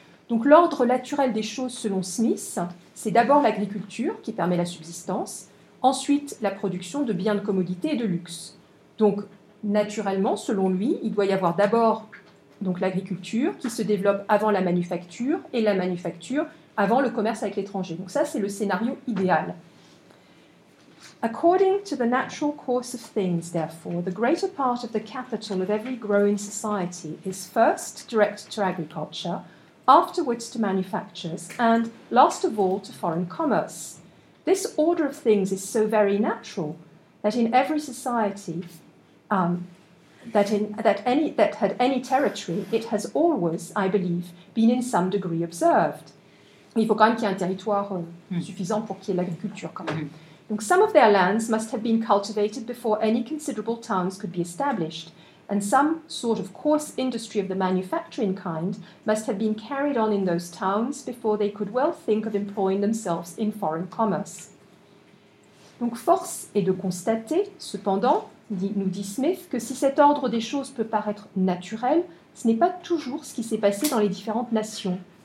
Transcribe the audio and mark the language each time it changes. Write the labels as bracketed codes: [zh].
[fr] Donc, l'ordre naturel des choses, selon Smith, c'est d'abord l'agriculture qui permet la subsistance, ensuite la production de biens de commodité et de luxe. Donc, naturellement, selon lui, il doit y avoir d'abord donc, l'agriculture qui se développe avant la manufacture et la manufacture avant le commerce avec l'étranger. Donc, ça, c'est le scénario idéal. [en] According to the natural course of things, therefore, the greater part of the capital of every growing society is first directed to agriculture, afterwards to manufactures, and last of all to foreign commerce. This order of things is so very natural that in every society that had any territory, it has always, I believe, been in some degree observed. [fr] Il faut quand même qu'il y ait un territoire suffisant pour qu'il y ait l'agriculture quand même. [en] Donc, some of their lands must have been cultivated before any considerable towns could be established, and some sort of coarse industry of the manufacturing kind must have been carried on in those towns before they could well think of employing themselves in foreign commerce. [fr] Donc, force est de constater, cependant, nous dit Smith, que si cet ordre des choses peut paraître naturel, ce n'est pas toujours ce qui s'est passé dans les différentes nations.